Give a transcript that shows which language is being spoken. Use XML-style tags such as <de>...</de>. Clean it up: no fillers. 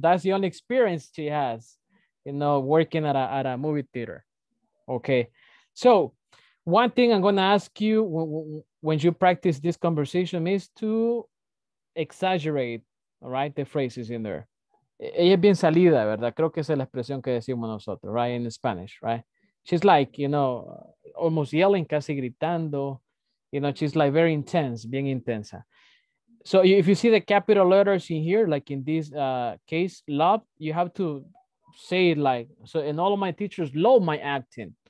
<en>That's the only experience she has, you know, working at a movie theater. Okay. So one thing I'm going to ask you when you practice this conversation is to exaggerate, all right, the phrases in there.</en> <es>Ella es bien salida, ¿verdad? Creo que esa es la expresión que decimos nosotros,</es> <en>right, in Spanish, right? She's like, you know, almost yelling,</en> <es>casi gritando.</es> <en>You know, she's like very intense,</en> <es>bien intensa.</es> <en>So if you see the capital letters in here, like in this case, love, you have to say it like, so and all of my teachers love my acting.</en>